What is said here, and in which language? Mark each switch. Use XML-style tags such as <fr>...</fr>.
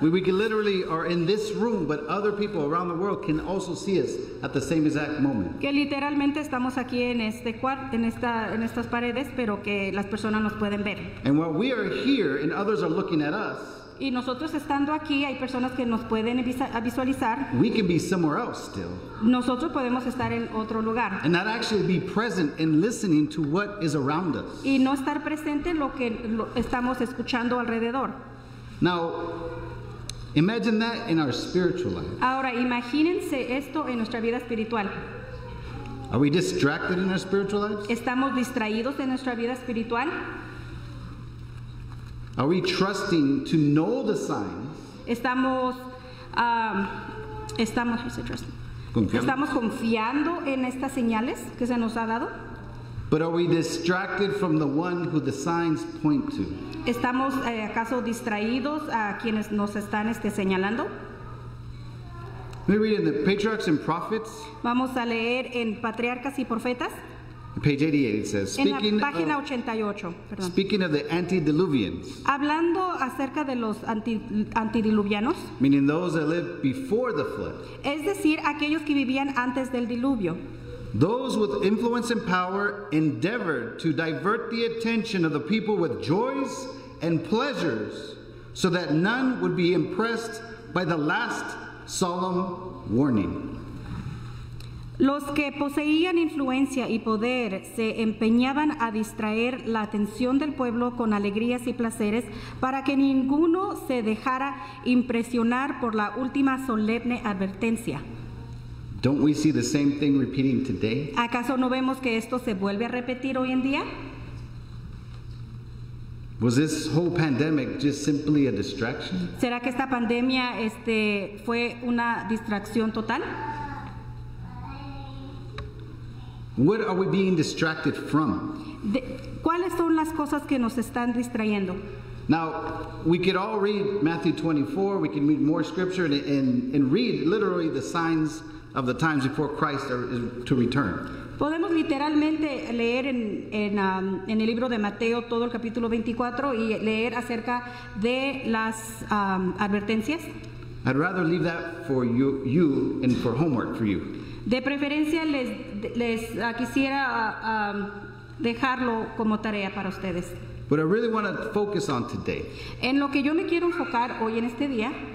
<en>We literally are in this room, but other people around the world can also see us at the same exact moment.</en> <es>Que literalmente estamos aquí en estas paredes, pero que las personas nos pueden ver.</es> <en>And while we are here and others are looking at us,</en> <es>y nosotros estando aquí hay personas que nos pueden visualizar.</es> <en>We can be somewhere else still.</en> <es>Nosotros podemos estar en otro lugar.</es> <en>And not actually be present and listening to what is around us.</en> <es>Y no estar presente lo que estamos escuchando alrededor.</es> <en>Now, imagine that in our spiritual life.</en> <es>Ahora imagínense esto en nuestra vida espiritual.</es> <en>Are we distracted in our spiritual lives?</en> <es>¿Estamos distraídos en nuestra vida espiritual?</es> <en>Are we trusting to know the signs?</en> <es>Estamos confiando en estas señales que se nos ha dado.</es> <en>But are we distracted from the one who the signs point to?</en> <es>¿Estamos acaso distraídos a quienes nos están señalando?</es> <en>Let me read in the Patriarchs and Prophets.</en> <es>Vamos a leer en Patriarcas y Profetas.</es> <en>Page 88 says, speaking,</en> <es>en la página 88, perdón.</es> <en>Speaking of the antediluvians,</en> <es>hablando acerca de los antediluvianos,</es> <en>meaning those that lived before the flood,</en> <es>es decir, aquellos que vivían antes del diluvio,</es> <en>those with influence and power endeavored to divert the attention of the people with joys and pleasures so that none would be impressed by the last solemn warning.</en> <es>Los que poseían influencia y poder se empeñaban a distraer la atención del pueblo con alegrías y placeres para que ninguno se dejara impresionar por la última solemne advertencia.</es> <en>Don't we see the same thing repeating today?</en> <es>¿Acaso no vemos que esto se vuelve a repetir hoy en día?</es> <en>Was this whole pandemic just simply a distraction?</en> <es>¿Será que esta pandemia fue una distracción total?</es> <en>What are we being distracted from?</en> <es>¿Cuáles son las cosas que nos están distrayendo?</es> <en>Now, we could all read Matthew 24. We can read more scripture and read literally the signs of the times before Christ is to return.</en> <es>Podemos literalmente leer en el libro de Mateo todo el capítulo 24 y leer acerca de las advertencias.</es> <en>I'd rather leave that for you and for homework for you.</en> <es>De preferencia les quisiera dejarlo como tarea para ustedes.</es> <en>What I really want to focus on today.</en> <es>En lo que yo me quiero enfocar hoy en este día.</es>